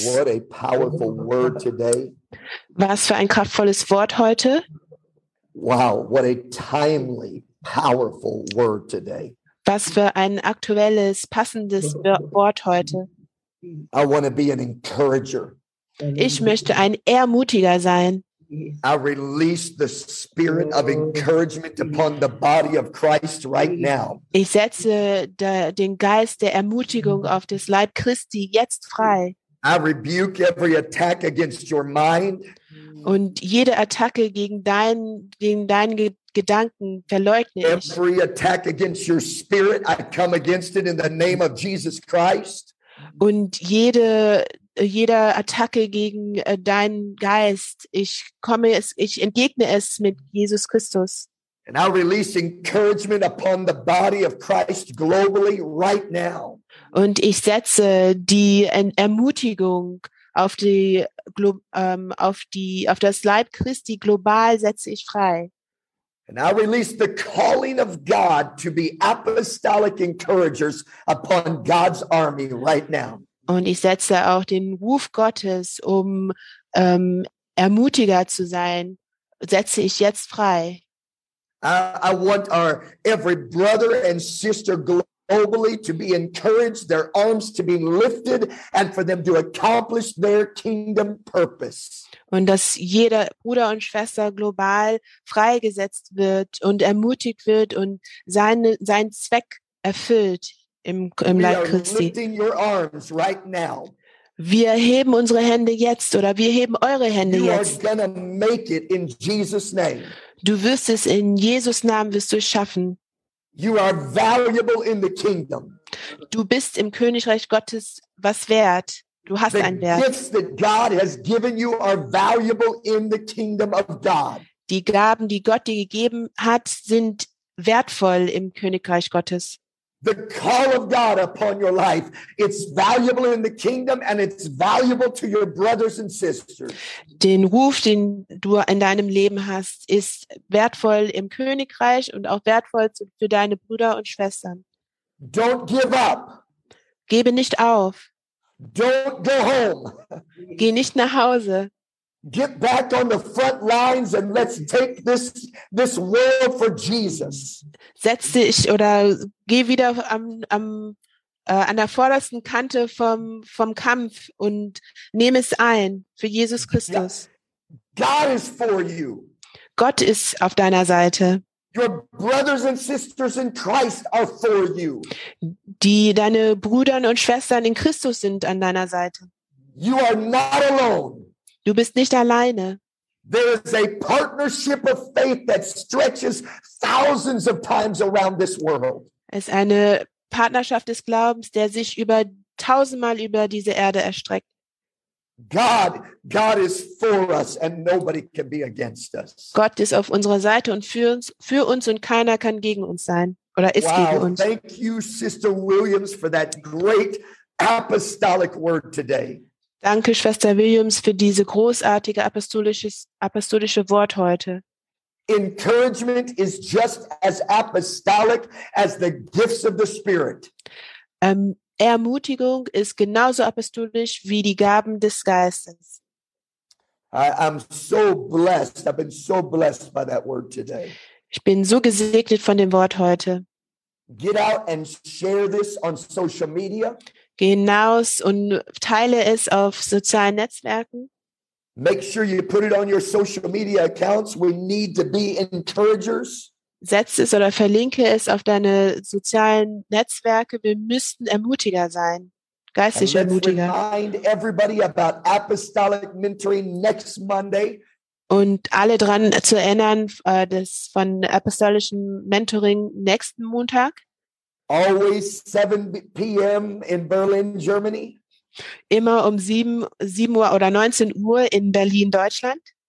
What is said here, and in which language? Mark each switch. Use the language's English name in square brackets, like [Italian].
[English] What a powerful word today. [German] Was für ein kraftvolles Wort heute. [English] Wow, what a timely, powerful word today. [German] Was für ein aktuelles, passendes Wort heute. [English] I want to be an encourager. [German] Ich möchte ein Ermutiger sein. [English] I release the spirit of encouragement upon the body of Christ right now. [German] Ich setze den Geist der Ermutigung auf das Leib Christi jetzt frei. [English] I rebuke every attack against your mind. [German] Und jede Attacke gegen deinen Gedanken verleugne ich. [English] Every attack against your spirit, I come against it in the name of Jesus Christ. [German] Und jeder Attacke gegen deinen Geist, ich entgegne es mit Jesus Christus. [English] And I release encouragement upon the body of Christ globally right now. [German] Und ich setze die Ermutigung auf das Leib Christi global setze ich frei. [English] And I release the calling of God to be apostolic encouragers upon God's army right now. [German] Und ich setze auch den Ruf Gottes, um Ermutiger zu sein, setze ich jetzt frei. [English] I want our every brother and sister globally, to be encouraged, their arms to be lifted, and for them to accomplish their kingdom purpose. [German] Und dass jeder Bruder und Schwester global freigesetzt wird und ermutigt wird und seinen Zweck erfüllt im Leib Christi. [English] We are lifting your arms right now. [German] Wir heben unsere Hände jetzt oder wir heben eure Hände jetzt. [English] You are gonna make it in Jesus name. [German] Du wirst es in Jesus Namen wirst du es schaffen. [English] You are valuable in the kingdom. [German] Du bist im Königreich Gottes was wert. Du hast [English] the [German] einen Wert. [English] Gifts that God has given you are valuable in the kingdom of God. [German] Die Gaben, die Gott dir gegeben hat, sind wertvoll im Königreich Gottes. [English] The call of God upon your life, it's valuable in the kingdom and it's valuable to your brothers and sisters. [German] Den Ruf, den du in deinem Leben hast, ist wertvoll im Königreich und auch wertvoll für deine Brüder und Schwestern. [English] Don't give up. [German] Gebe nicht auf. [English] Don't go home. [German] Geh nicht nach Hause. [English] Get back on the front lines and let's take this world for Jesus. [German] Setz dich oder geh wieder an der vordersten Kante vom Kampf und nimm es ein für Jesus Christus. [English] God is for you. [German] Gott ist auf deiner Seite. [English] Your brothers and sisters in Christ are for you. [German] Deine Brüder und Schwestern in Christus sind an deiner Seite. [English] You are not alone. [German] Du bist nicht alleine. [English] There is a partnership of faith that stretches thousands of times around this world. [German] Es ist eine Partnerschaft des Glaubens, der sich über tausendmal über diese Erde erstreckt. [English] God is for us and nobody can be against us. [German] Gott ist auf unserer Seite und für uns und keiner kann gegen uns sein oder ist wow, gegen uns. [English] Thank you, Sister Williams, for that great apostolic word today. [German] Danke, Schwester Williams, für diese großartige apostolische Wort heute. [English] Encouragement is just as apostolic as the gifts of the Spirit. [German] Ermutigung ist genauso apostolisch wie die Gaben des Geistes. [English] I'm so blessed. I've been so blessed by that word today. [German] Ich bin so gesegnet von dem Wort heute. [English] Get out and share this on social media. [German] Geh hinaus und teile es auf sozialen Netzwerken. [English] Make sure you put it on your social media accounts. We need to be encouragers. [German] Setz es oder verlinke es auf deine sozialen Netzwerke. Wir müssten Ermutiger sein, geistig Ermutiger. [English] And let's remind everybody about apostolic mentoring next Monday. [German] Und alle dran zu erinnern, das von apostolischem Mentoring nächsten Montag. [English] Always 7 p.m. in Berlin, Germany. [German] Immer um 7 Uhr oder 19 Uhr in Berlin, Deutschland.